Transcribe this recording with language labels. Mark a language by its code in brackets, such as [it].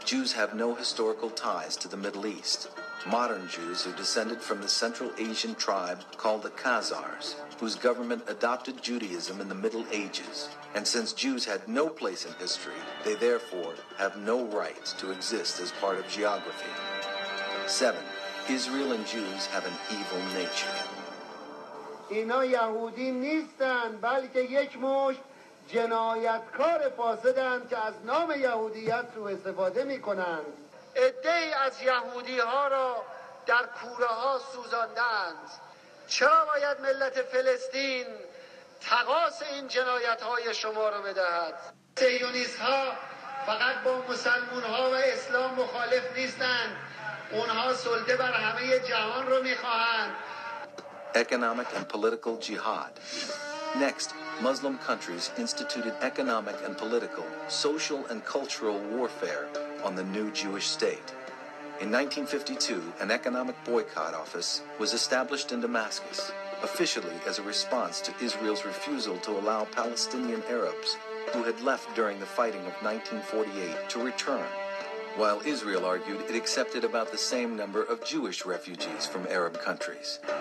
[en] Jews have no historical ties to the Middle East. Modern Jews are descended from the Central Asian tribe called the Khazars, whose government adopted Judaism in the Middle Ages. And since Jews had no place in history, they therefore have no right to exist as part of geography. 7. Israel and Jews have an evil nature. [fa] اینا یهودی نیستن بلکه یک مش جنایتکار فاسدن که از نام یهودیت رو استفاده می کنن ادهی از یهودی ها را در کوره ها سوزاندند چرا باید ملت فلسطین تا تقاص این جنایت های شما رو بدهد. سیونیست ها فقط با مسلمون ها و اسلام مخالف نیستند، اونها سلطه بر همه جهان رو میخواهند. [en] Economic and political jihad. Next, Muslim countries instituted economic and political, social and cultural warfare on the new Jewish state. In 1952, an economic boycott office was established in Damascus, officially as a response to Israel's refusal to allow Palestinian Arabs who had left during the fighting of 1948 to return, while Israel argued it accepted about the same number of Jewish refugees from Arab countries.